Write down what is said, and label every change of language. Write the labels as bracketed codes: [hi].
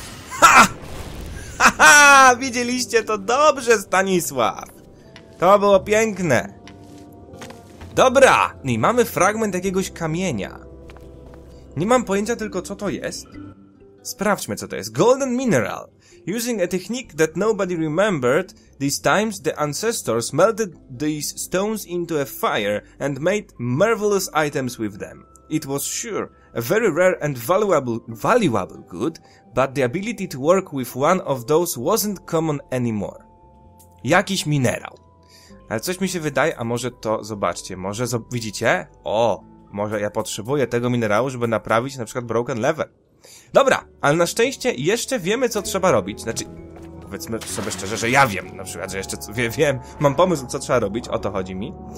[pl] Ha! Ha, ha! Widzieliście to dobrze, Stanisław! To było piękne! Dobra! I mamy fragment jakiegoś kamienia. Nie mam pojęcia tylko, co to jest. Sprawdźmy, co to jest. Golden mineral. [en] Using a technique that nobody remembered, these times the ancestors melted these stones into a fire and made marvelous items with them. It was sure a very rare and valuable good, but the ability to work with one of those wasn't common anymore. [pl] Jakiś minerał. Ale coś mi się wydaje, a może to zobaczcie, może widzicie? O, może ja potrzebuję tego minerału, żeby naprawić na przykład broken lever. Dobra, ale na szczęście jeszcze wiemy, co trzeba robić. Znaczy, powiedzmy sobie szczerze, że ja wiem na przykład, że jeszcze co wiem, mam pomysł, co trzeba robić, o to chodzi mi.